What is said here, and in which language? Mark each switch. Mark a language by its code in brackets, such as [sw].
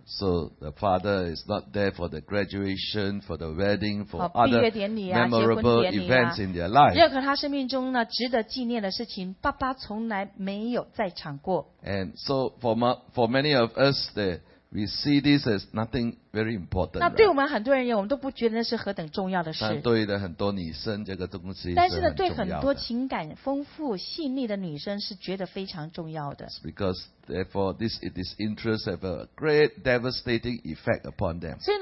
[en] So the father is not there for the graduation, for the wedding, for other memorable events in their life. [zh] 任何他生命中呢值得纪念的事情，爸爸从来没有在场过。 [en] And so for many of us, we see this as nothing very important. [zh] 那对我们很多人，我们都不觉得是何等重要的事。但对的很多女生，这个东西是很重要的。但是呢，对很多情感丰富细腻的女生是觉得非常重要的。 [en] Because therefore, this interest have a great devastating effect upon them.